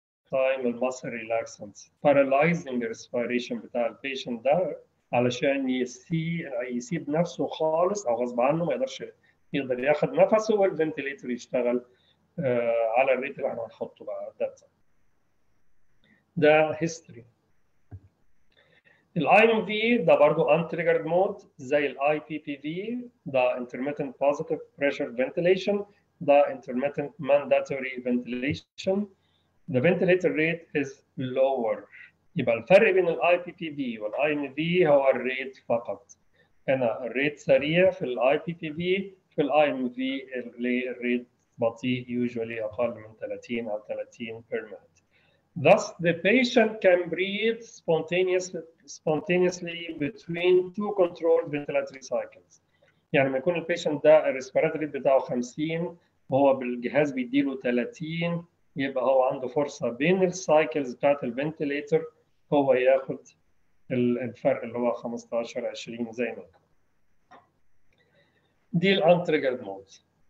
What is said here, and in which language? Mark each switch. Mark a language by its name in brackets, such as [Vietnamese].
[English] Time muscle relaxants, paralyzing the respiration [Arabic] بتاع البيشنت ده علشان يسيب نفسه خالص أو غصب عنه ما يقدرش يقدر ياخد نفسه والفنتليتر يشتغل على الريت اللي احنا هنحطه بعد ده. ده history. الـ IMV ده برضو untriggered mode زي الـ IPPV، ده intermittent positive pressure ventilation، ده intermittent mandatory ventilation. [English] The ventilator rate is lower. [Arabic] يبقى الفرق بين الـ IPPV والـ IMV هو الـ rate فقط. أنا الـ rate سريع في الـ IPPV، في الـ IMV الـ rate بطيء usually أقل من 30 أو 30 per minute. [English] Thus the patient can breathe spontaneously between two controlled ventilatory cycles. [Arabic] يعني ما يكون الـ patient ده الـ respiratory rate بتاعه 50 وهو بالجهاز بيديله 30، يبقى هو عنده فرصة بين السايكلز بتاعت الفنتيليتر هو ياخد الفرق اللي هو 15-20 زي ما دي الـ untriggered mode.